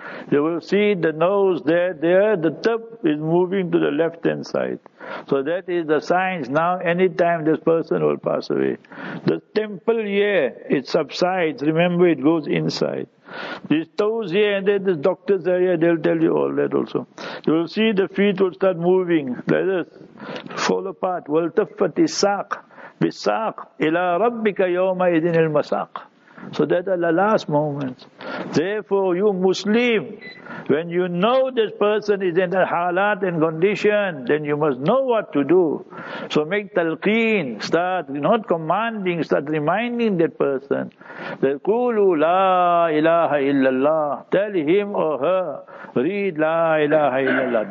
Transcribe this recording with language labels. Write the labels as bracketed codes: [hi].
[en] You will see the nose there, the tip is moving to the left hand side. So that is the signs now, anytime this person will pass away. The temple here, it subsides, remember it goes inside. These toes here and then the doctors are here, they'll tell you all that also. You will see the feet will start moving, let us fall apart. [ar] وَالْتَفَّتِ السَّاقِ بِالسَّاقِ إِلَىٰ رَبِّكَ يَوْمَ إِذِنِ الْمَسَاقِ. [en] So that are the last moments. Therefore, you Muslim, when you know this person is in a halat and condition, then you must know what to do. So make talqeen, start not commanding, start reminding that person. That Qulu la ilaha illallah. Tell him or her, read la ilaha illallah.